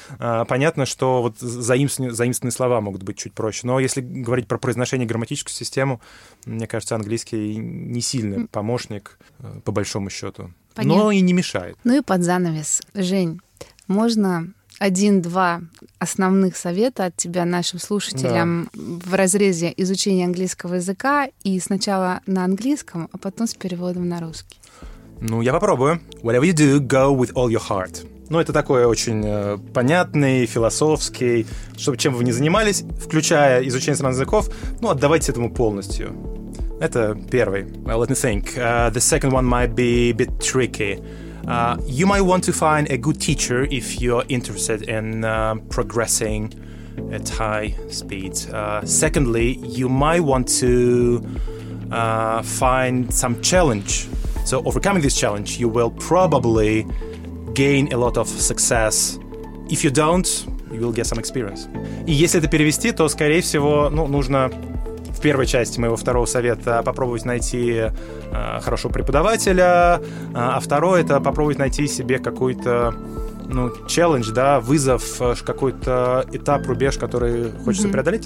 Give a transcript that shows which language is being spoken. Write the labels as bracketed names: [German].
[Russian] Понятно, что вот заимствованные слова могут быть чуть проще, но если говорить про произношение, грамматическую систему, мне кажется, английский не сильный помощник, по большому счету. Понятно. Но и не мешает. Ну и под занавес. Жень, можно... 1-2 основных совета от тебя нашим слушателям в разрезе изучения английского языка и сначала на английском, а потом с переводом на русский. Ну, я попробую. [English] Whatever you do, go with all your heart. [Russian] Ну, это такое очень понятный, философский, чтобы чем бы вы ни занимались, включая изучение иностранных языков, ну, отдавайтесь этому полностью. Это первый. [English] Well, let me think. The second one might be a bit tricky. You might want to find a good teacher if you're interested in progressing at high speed. Secondly, you might want to find some challenge. So overcoming this challenge, you will probably gain a lot of success. If you don't, you will get some experience. [Russian] И если это перевести, то, скорее всего, ну, нужно в первой части моего второго совета попробовать найти хорошего преподавателя, а второе — это попробовать найти себе какой-то, ну, челлендж, да, вызов, какой-то этап, рубеж, который хочется mm-hmm. преодолеть.